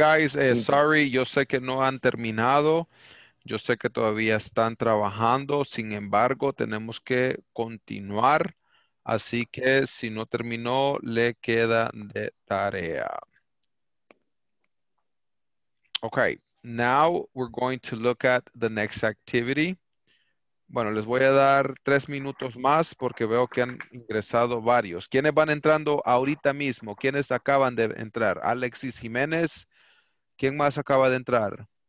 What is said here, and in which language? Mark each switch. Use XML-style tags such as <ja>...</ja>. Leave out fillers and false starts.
<en>Okay, guys, sorry,</en> <es>yo sé que no han terminado. Yo sé que todavía están trabajando. Sin embargo, tenemos que continuar. Así que si no terminó, le queda de tarea. Okay,</es> <en>Now we're going to look at the next activity.</en> <es>Bueno, les voy a dar 3 minutos más porque veo que han ingresado varios. ¿Quiénes van entrando ahorita mismo? ¿Quiénes acaban de entrar? Alexis Jiménez. ¿Quién más acaba de entrar?</es>